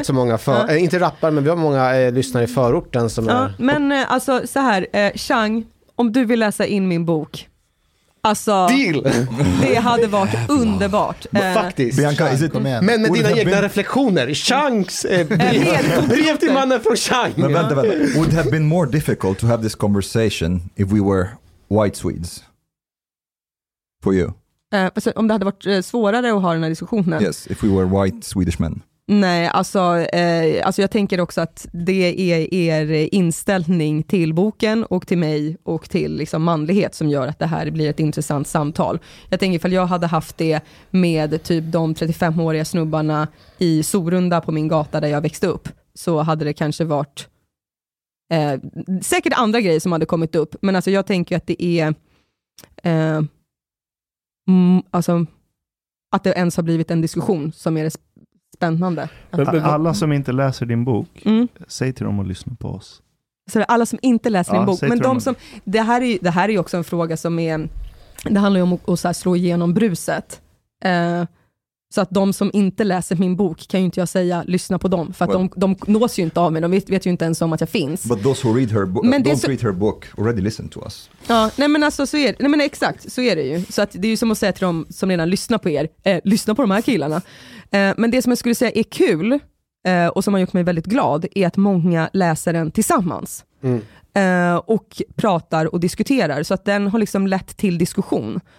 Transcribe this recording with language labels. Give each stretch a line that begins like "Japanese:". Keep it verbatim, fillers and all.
Swedish: rätt så många, för, ja. eh, inte rappare men vi har många eh, lyssnare i förorten som ja, är... Men eh, alltså så här, eh, Chang, om du vill läsa in min bok. Alltså,
English: Deal.
Swedish: det hade varit underbart. Men faktiskt. Bianca, mm. Men med dina egna been... reflektioner. Changs eh, brev, brev till mannen från Chang. Men vänta, vänta.
English: Would have been more difficult to have this conversation if we were white Swedes. For you.
Swedish: Eh, alltså, om det hade varit eh, svårare att ha den här diskussionen.
English: Yes, if we were white Swedish men.
Swedish: Nej, alltså, eh, alltså jag tänker också att det är er inställning till boken och till mig och till liksom manlighet som gör att det här blir ett intressant samtal. Jag tänker ifall jag hade haft det med typ de trettiofemåriga snubbarna i Sorunda på min gata där jag växte upp, så hade det kanske varit eh, säkert andra grejer som hade kommit upp. Men alltså jag tänker att det är eh, mm, alltså att det ens har blivit en diskussion som är spännande. Alla som inte läser din bok, mm. säg till dem att lyssna på oss. Så alla som inte läser ja, din bok, men de som det här är det här är också en fråga som är, det handlar ju om att så här, slå igenom bruset. Eh, så att de som inte läser min bok kan ju inte jag säga lyssna på dem, för att well. de, de nås ju inte av mig. De vet, vet ju inte ens om att jag finns.
English: But those who read her book, don't så, read her book, already listen to us.
Swedish: Ja, nej men alltså så är, nej men exakt, så är det ju. Så att det är ju som att säga till dem som redan lyssnar på er, eh, lyssna på de här killarna. Men det som jag skulle säga är kul och som har gjort mig väldigt glad är att många läser den tillsammans mm. och pratar och diskuterar, så att den har liksom lett till diskussion.